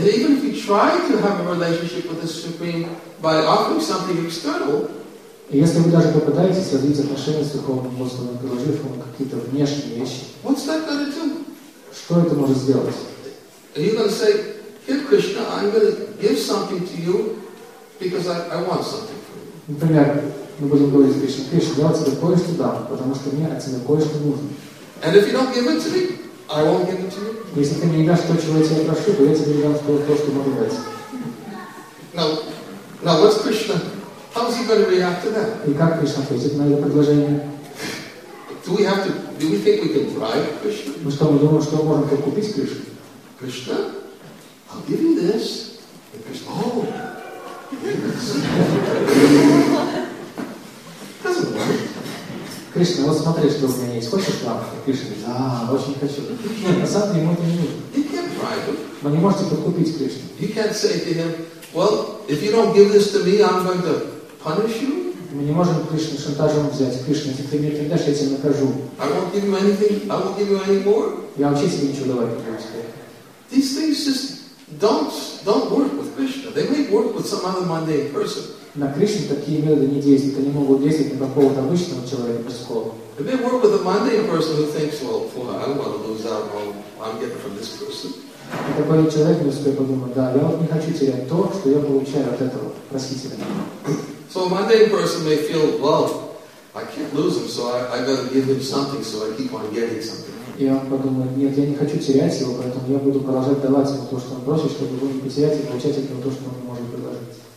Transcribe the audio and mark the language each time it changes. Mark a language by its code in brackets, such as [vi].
[en] And even if you try to have a relationship with the Supreme by offering something external, [ru] если вы даже попытаетесь развить отношения с Верховным Господом, предложив ему какие-то внешние вещи, [en] what's that gonna do? [ru] Что это может сделать? [en] You're gonna say, here, Krishna, I'm gonna give something to you because I want something. [ru] Например, мы будем говорить Кришне, Кришна, я тебе кое-что дам, потому что мне от тебя кое-что нужно. [en] And if you don't give it to me, I won't give it to you. [ru] Если ты мне не дашь то, чего я тебя прошу, то я тебе не дам то, что могу дать. [en] Now what's Krishna? How is he going to react to that? [ru] И как Кришна ответит на это предложение? [en] Do we think we can bribe Krishna? [ru] Мы что, мы думаем, что можем купить Кришну? [en] Krishna, I'll give you this. And Krishna, oh! [ru] Кришна, вот смотри, что у меня есть. Хочешь лампу? Кришна говорит, очень хочу. На самом деле ему это не нужно. Вы не можете подкупить Кришну. [en] You can't say to him, well, if you don't give this to me, I'm going to punish you. [ru] Мы не можем Кришну шантажом взять. Кришна, если ты мне это не дашь, я тебя накажу. [en] I won't give you anything. I won't give you any more. [ru] Я вообще себе ничего давать не буду. [en] These things just don't work with Krishna. They may work with some other mundane person. [ru] На Кришне такие методы не действуют. Они могут действовать на какого-то обычного человека без школы. [en] They may work with a mundane person who thinks, well, boy, I don't want to lose out on what I'm getting from this person. [ru] И такой человек может себе подумать, да, я вот не хочу терять то, что я получаю от этого просителя. [en] So a mundane person may feel, well, I can't lose him, so I got to give him something, so I keep on getting something. [ru] И он подумает, нет, я не хочу терять его, поэтому я буду продолжать давать ему то, что он просит, чтобы его не потерять и получать от него то, что он может предложить.